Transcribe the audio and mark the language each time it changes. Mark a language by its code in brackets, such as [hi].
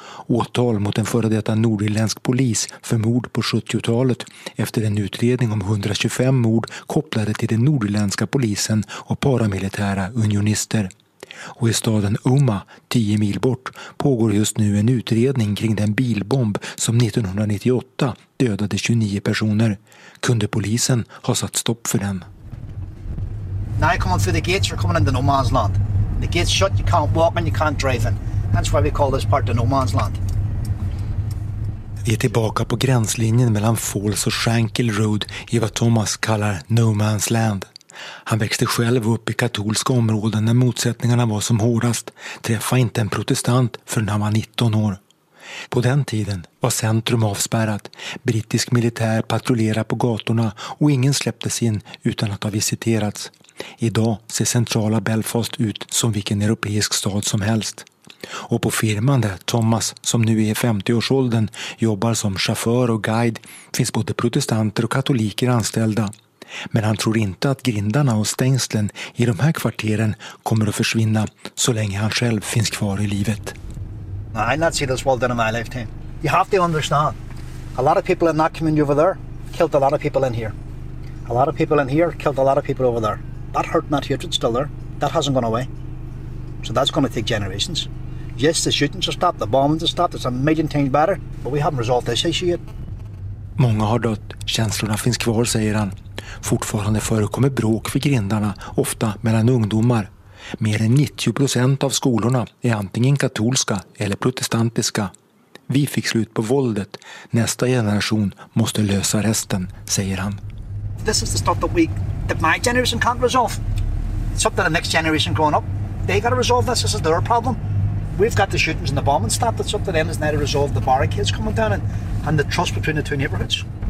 [sv] Åtal mot en före detta nordirländsk polis för mord på 70-talet efter en utredning om 125 mord kopplade till den nordirländska polisen och paramilitära unionister. Och i staden Umma, 10 mil bort, pågår just nu en utredning kring den bilbomb som 1998 dödade 29 personer. Kunde polisen ha satt stopp för den? [en] Now you're coming through the gates, you're coming into no man's land. The gates shut, you can't walk and you can't drive in. That's why we call this part the no man's land. [sv] Vi är tillbaka på gränslinjen mellan Falls och Shankill Road i vad Thomas kallar no man's land. Han växte själv upp i katolska områden när motsättningarna var som hårdast. Träffa inte en protestant förrän han var 19 år. På den tiden var centrum avspärrat. Brittisk militär patrullerade på gatorna och ingen släpptes in utan att ha visiterats. Idag ser centrala Belfast ut som vilken europeisk stad som helst. Och på firman där Thomas, som nu är 50-årsåldern, jobbar som chaufför och guide, finns både protestanter och katoliker anställda. Men han tror inte att grindarna och stängslen i de här kvarteren kommer att försvinna så länge han själv finns kvar i livet. [en] I've not seen this world in my lifetime. You have to understand. A lot of people in that community over there killed a lot of people in here. A lot of people in here killed a lot of people over there. That hurt and that hatred still there. That hasn't gone away. So that's going to take generations. Yes, the shootings have stopped, the bombings have stopped. It's a million times better. But we haven't resolved this issue yet. [sv] Många har dött. Känslorna finns kvar, säger han. Fortfarande förekommer bråk vid grindarna, ofta mellan ungdomar. Mer än 90% av skolorna är antingen katolska eller protestantiska. Vi fick slut på våldet. Nästa generation måste lösa resten, säger han. [en] This is the stuff that my generation can't resolve. It's up to the next generation growing up. They got to resolve this. This is their problem. We've got the shootings and the bombing stuff. It's up to them now to resolve the barricades coming down and the trust between the two neighborhoods.